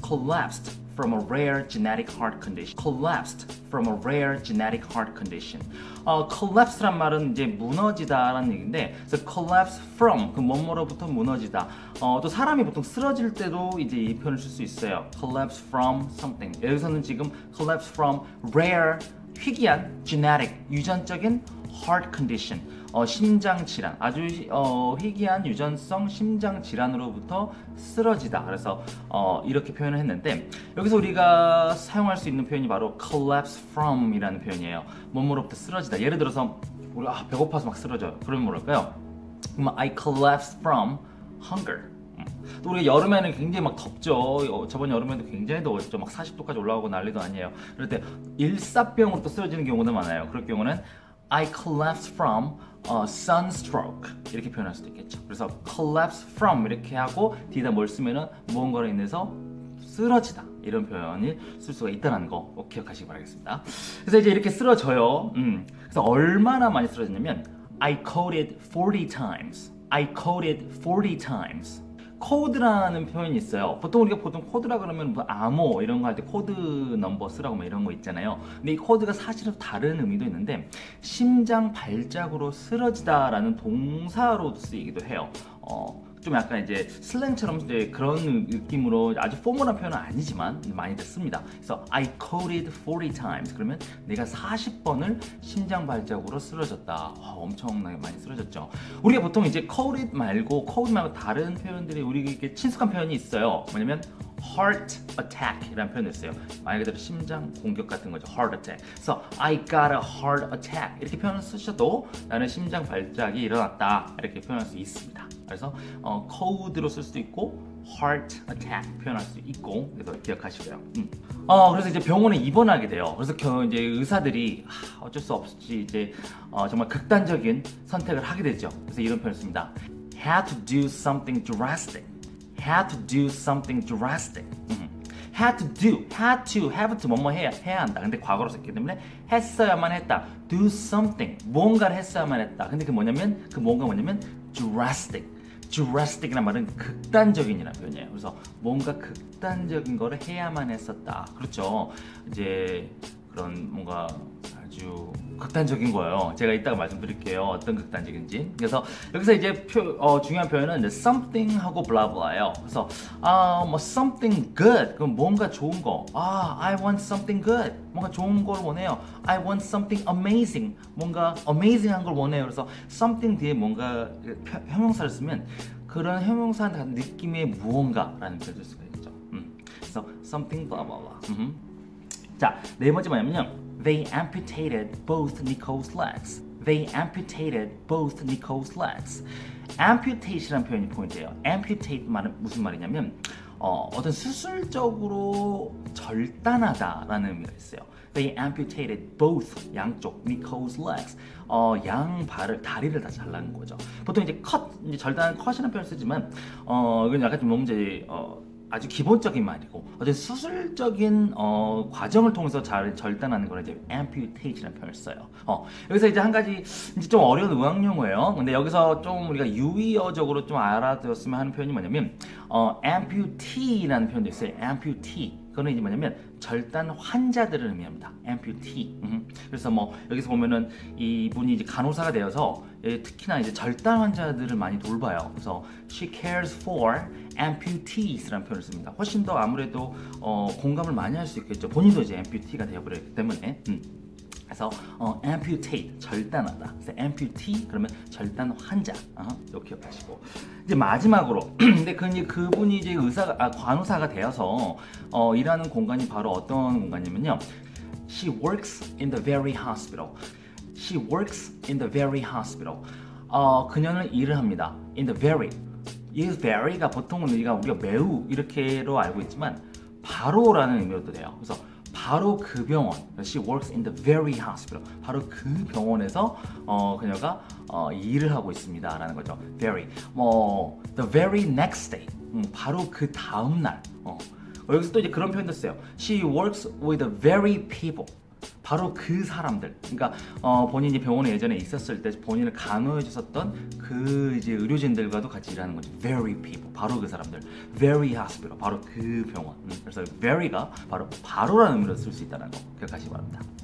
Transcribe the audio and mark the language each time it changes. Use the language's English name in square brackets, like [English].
[English] Collapsed from a rare genetic heart condition. Collapsed from a rare genetic heart condition. [Korean] Collapse란 말은 이제 무너지다라는 얘기인데, [English] so collapse from [Korean] 그 뭐뭐로부터 무너지다. 또 사람이 보통 쓰러질 때도 이제 이 표현을 쓸 수 있어요. [English] Collapse from something. [Korean] 여기서는 지금 [English] collapse from rare [Korean] 희귀한 [English] genetic [Korean] 유전적인 [English] heart condition. [Korean] 심장 질환, 아주 희귀한 유전성 심장 질환으로부터 쓰러지다. 그래서 이렇게 표현을 했는데 여기서 우리가 사용할 수 있는 표현이 바로 collapse from이라는 표현이에요. 뭐뭐로부터 쓰러지다. 예를 들어서 우리 배고파서 막 쓰러져요. 그러면 뭐랄까요? 그러면 [English] I collapse from hunger. [Korean] 또 우리가 여름에는 굉장히 막 덥죠. 저번 여름에도 굉장히 더웠죠. 막 40도까지 올라가고 난리도 아니에요. 그럴 때 일사병으로부터 쓰러지는 경우도 많아요. 그럴 경우는 [English] I collapse from sunstroke [Korean] 이렇게 표현할 수도 있겠죠. 그래서 collapse from 이렇게 하고 뒤에다 뭘 쓰면은 무언가로 인해서 쓰러지다 이런 표현을 쓸 수가 있다는 거 꼭 기억하시기 바라겠습니다. 그래서 이제 이렇게 쓰러져요. 그래서 얼마나 많이 쓰러졌냐면 [English] I coded 40 times. I coded 40 times. [Korean] 코드라는 표현이 있어요. 보통 우리가 보통 코드라 그러면 뭐 암호 이런 거 할 때 코드 넘버 쓰라고 뭐 이런 거 있잖아요. 근데 이 코드가 사실은 다른 의미도 있는데 심장 발작으로 쓰러지다라는 동사로 쓰이기도 해요. 좀 약간 이제 슬랭처럼 이제 그런 느낌으로 아주 포멀한 표현은 아니지만 많이들 씁니다. [English] 그래서 I coded 40 times. [Korean] 그러면 내가 40번을 심장 발작으로 쓰러졌다. 엄청나게 많이 쓰러졌죠. 우리가 보통 이제 coded 말고 code 말고 다른 표현들이 우리에게 친숙한 표현이 있어요. 뭐냐면 heart attack 이라는 표현을 써요. 말 그대로 심장 공격 같은 거죠. [English] heart attack. So I got a heart attack. [Korean] 이렇게 표현을 쓰셔도 나는 심장 발작이 일어났다. 이렇게 표현할 수 있습니다. 그래서 코드로 쓸 수도 있고 heart attack 표현할 수 있고 그래서 기억하시고요. 그래서 이제 병원에 입원하게 돼요. 그래서 이제 의사들이 어쩔 수 없이 이제 정말 극단적인 선택을 하게 되죠. 그래서 이런 표현을 씁니다. [English] Had to do something drastic. Had to do something drastic. Had to do, had to, have to, [Korean] 뭐뭐 해야 한다. 근데 과거로 썼기 때문에 했어야만 했다. [English] Do something, [Korean] 뭔가를 했어야만 했다. 근데 그 뭐냐면, 그 뭔가 뭐냐면 drastic. Drastic이란 말은 극단적인이라는 표현이에요. 그래서 뭔가 극단적인 거를 해야만 했었다. 그렇죠. 이제 그런 뭔가 아주 극단적인 거예요. 제가 이따가 말씀드릴게요. 어떤 극단적인지. 그래서 여기서 이제 중요한 표현은 something 하고 blah blah예요. 그래서 뭐 [English] something good. [Korean] 그럼 뭔가 좋은 거. [English] I want something good. [Korean] 뭔가 좋은 걸 원해요. [English] I want something amazing. [Korean] 뭔가 amazing한 걸 원해요. 그래서 something 뒤에 뭔가 형용사를 쓰면 그런 형용사한 느낌의 무언가라는 표현을 쓸 수가 있죠. 그래서 [English] something blah blah blah. [Korean] 자, 네 번째 뭐냐면요. [English] They amputated both Nicole's legs. They amputated both Nicole's legs. [Korean] Amputation이라는 표현이 포인트예요. Amputate 말은 무슨 말이냐면 어떤 수술적으로 절단하다라는 의미가 있어요. [English] They amputated both [Korean] 양쪽 [English] Nicole's legs. [Korean] 양 발을 다리를 다 잘라낸 거죠. 보통 이제 cut 이제 절단 cut이라는 표현 쓰지만 이건 약간 좀 몸 이제 아주 기본적인 말이고 어제 수술적인 과정을 통해서 잘 절단하는 거는 이제 amputation이라는 표현을 써요. 여기서 이제 한 가지 이제 좀 어려운 의학 용어예요. 근데 여기서 좀 우리가 유의어적으로 좀 알아두었으면 하는 표현이 뭐냐면 amputee라는 표현도 있어요. amputee. 그거는 이제 뭐냐면 절단 환자들을 의미합니다. [English] Amputee. [Korean] 그래서 뭐 여기서 보면은 이분이 이제 간호사가 되어서 특히나 이제 절단 환자들을 많이 돌봐요. 그래서 [English] she cares for amputees [Korean] 라는 표현을 씁니다. 훨씬 더 아무래도 공감을 많이 할 수 있겠죠. 본인도 이제 amputee가 되어버렸기 때문에. 그래서 amputate, 절단하다. 그래서 amputee 그러면 절단 환자. 이렇게 기억하시고 이제 마지막으로 근데 그분이 이제 의사가 간호사가 되어서 일하는 공간이 바로 어떤 공간이냐면요. [English] She works in the very hospital. She works in the very hospital. [Korean] 그녀는 일을 합니다. [English] In the very. Is very [Korean] 가 보통은 우리가 매우 이렇게로 알고 있지만 바로라는 의미로도 돼요. 그래서 바로 그 병원, [English] she works in the very hospital. [Korean] 바로 그 병원에서 그녀가 일을 하고 있습니다 라는 거죠. Very, 뭐 [English] the very next day, [Korean] 바로 그 다음 날. 여기서 또 이제 그런 표현도 써요. [English] She works with the very people. [Korean] 바로 그 사람들. 그러니까 본인이 병원에 예전에 있었을 때 본인을 간호해 주셨던 그 이제 의료진들과도 같이 일하는 거죠. [English] Very people. [Korean] 바로 그 사람들. [English] Very hospital. [Korean] 바로 그 병원. 그래서 very가 바로라는 의미로 쓸 수 있다는 거 기억하시기 바랍니다.